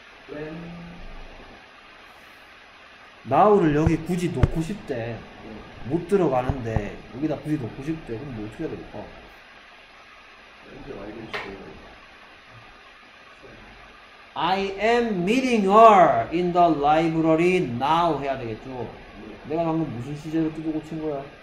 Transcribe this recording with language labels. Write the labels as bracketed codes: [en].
[en] When? [ko] 마오를 여기 굳이 놓고 싶대. 네. 못 들어가는데 여기다 굳이 놓고 싶대. 그럼 뭐 어떻게 해야 될까? 언제 와야겠지? [en] I am meeting her in the library now [ko] 해야 되겠죠. 네. 내가 방금 무슨 시제로 뜯어 고친 거야?